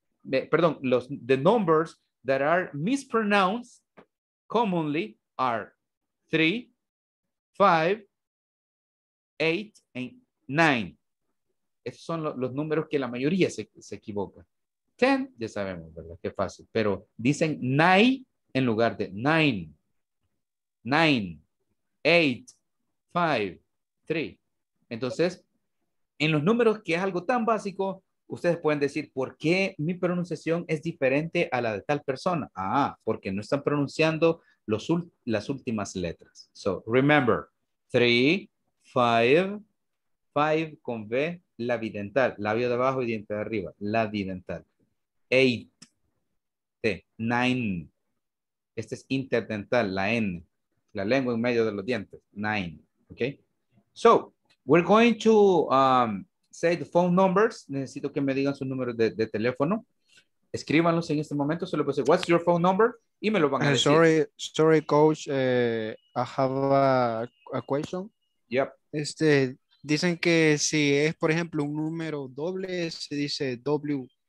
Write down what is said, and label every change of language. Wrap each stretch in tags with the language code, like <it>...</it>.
<es>Perdón, los,</es> <en>the numbers that are mispronounced commonly are three, five, eight, and nine.</en> <es>Esos son los números que la mayoría se equivoca. Ten, ya sabemos, ¿verdad? Qué fácil. Pero dicen nine en lugar de nine.</es> <en>Nine, eight, five, three.</en> <es>Entonces, en los números, que es algo tan básico, ustedes pueden decir, ¿por qué mi pronunciación es diferente a la de tal persona? Ah, porque no están pronunciando las últimas letras.</es> <en>So, remember, three, five, five</en> <es>con B, labio dental, labio de abajo y diente de arriba, labio dental. Eight, T, nine, este es interdental, la N, la lengua en medio de los dientes, nine, okay?</es> <en>So, we're going to say the phone numbers.</en> <es>Necesito que me digan su número de teléfono. Escríbanlos en este momento. Solo puedo decir,</es> <en>what's your phone number?</en> <es>Y me lo van a decir.</es> <en>Sorry, coach. I have a question. Yep.</en> <es>Este, dicen que si es, por ejemplo, un número doble, se dice W.</es>